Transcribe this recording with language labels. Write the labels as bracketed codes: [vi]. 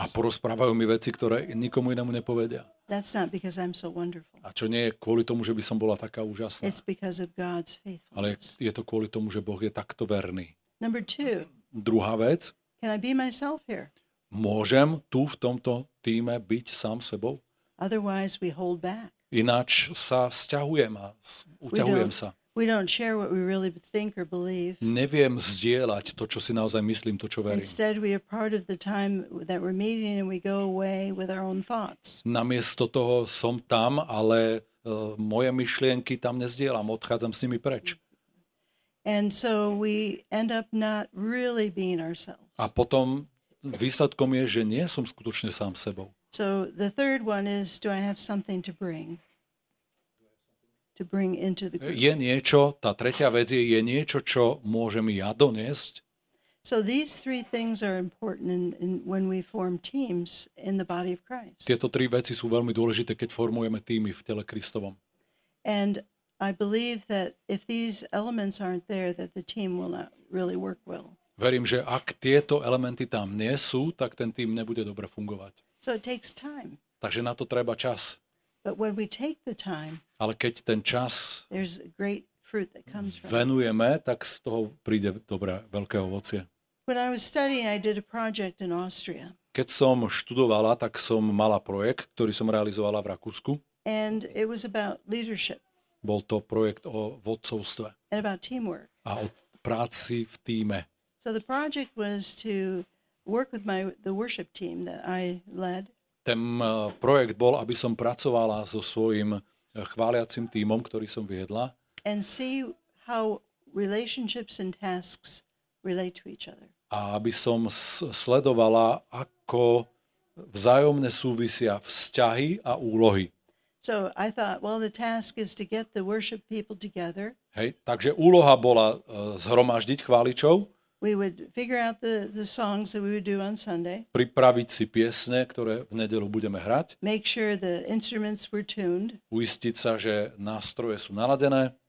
[sk] A porozprávajú mi veci, ktoré nikomu inému nepovedia. [en] That's not because I'm so wonderful. [sk] A čo nie je kvôli tomu, že by som bola taká úžasná. [en] It's because of God's faithfulness. [sk] Ale je to kvôli tomu, že Boh je takto verný. [en] Number two. [sk] Druhá vec. [en] Can I be myself here? [sk] Môžem tu v tomto týme byť sám sebou? [en] Otherwise we hold back. [sk] Ináč sa sťahujem a uťahujem sa. [en] We don't share what we really think or believe. [sk] Neviem zdieľať to, čo si naozaj myslím, to, čo verím. [en] Instead, we are part of the time that we're meeting and we go away with our own thoughts. [sk] Namiesto toho som tam, ale moje myšlienky tam nezdieľam, odchádzam s nimi preč. [en] And so we end up not really being ourselves. [sk] A potom výsledkom je, že nie som skutočne sám sebou. [en] So the third one is, do I have something to bring? To bring into the group. [sk] Je niečo, tá tretia vec je niečo, čo môžem ja doniesť. [en] So these three things are important in when we form teams in the body of Christ. [sk] Tieto tri veci sú veľmi dôležité, keď formujeme týmy v tele Kristovom. [en] And I believe that if these elements aren't there, that the team will not really work well. [sk] Verím, že ak tieto elementy tam nie sú, tak ten tým nebude dobre fungovať. [en] So it takes time. [sk] Takže na to treba čas. [en] But when we take the time, [sk] ale keď ten čas [en] there's great fruit that comes from. [sk] Venujeme, tak z toho príde dobré veľké ovocie. [en] When I was studying, I did a project in Austria. [sk] Keď som študovala, tak som mala projekt, ktorý som realizovala v Rakúsku. [en] And it was about leadership. [sk] Bol to projekt o vodcovstve. [en] And about teamwork. [sk] A o práci v týme. [en] So the project was to work with the worship team that I led. [sk] Ten projekt bol, aby som pracovala so svojím chváliacím tímom, ktorý som viedla. [en] And see how relationships and tasks relate to each other. [sk] A aby som sledovala, ako vzájomne súvisia vzťahy a úlohy. [en] So I thought, well, the task is to get the worship people together. [sk] Hej, takže úloha bola zhromaždiť chváličov. [en] We would figure out the songs that we would do on Sunday. [sk] Pripraviť si piesne, ktoré v nedeľu budeme hrať. [en] Make sure the instruments were tuned. [sk] Uistiť sa, že nástroje sú naladené.